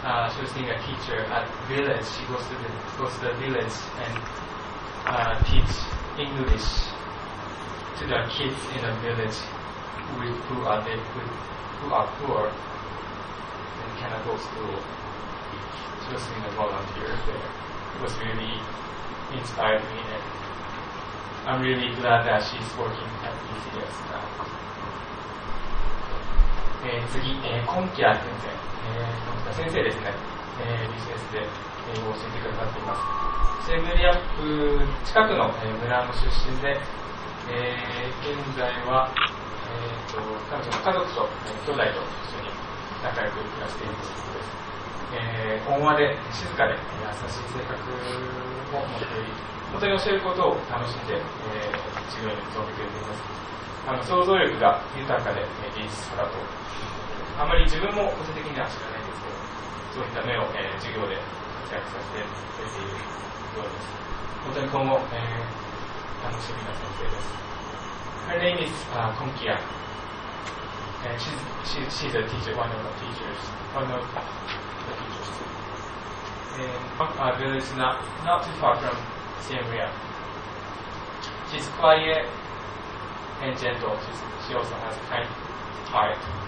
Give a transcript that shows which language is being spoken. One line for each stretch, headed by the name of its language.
English: She was being a teacher at village. She goes to the village and teach English to the kids in the village who are poor and cannot go to school. She was being a volunteer there. It was really inspired me, and I'm really glad that she's working at PCS now.
Japanese: 次、コンキア先生、コンキア先生ですね、PCS で英語を教えてくださっています。セムリアップ近くの、村の出身で、現在は、彼女の家族と、兄弟と一緒に仲良く暮らしているということです。温和で静かで優しい性格を持っており、本当に教えることを楽しんで、授業に臨んでくれています。想像力が豊かで芸術家だと、あまり自分も個人的には知らないんですけど、そういった目を、授業で活躍させてくれているようです。本当に今後、楽しみな先生です。
English: Her name is Konkia. She's a teacher, one of the teachers, one ofOur village is not too far from Siem Reap. She's quiet and gentle. She also has a kind heart.